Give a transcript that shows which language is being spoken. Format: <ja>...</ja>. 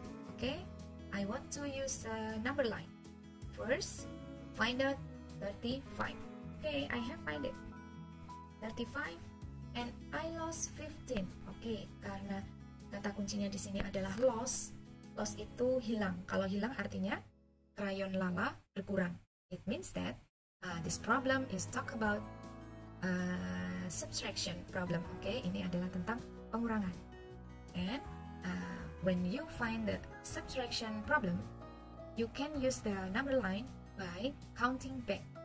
<en>Oke, okay, I want to use a number line. First, find out 35. Oke, okay, I have find it. 35 and I lost 15.</en> <id>Oke, okay, karena kata kuncinya di sini adalah loss. Loss itu hilang. Kalau hilang artinya krayon lama berkurang.</id> <en>It means that this problem is talk about subtraction problem.</en> <id>Oke, okay, ini adalah tentang pengurangan.</id> <en>And when you find the subtraction problem, you can use the number line by counting back.</en>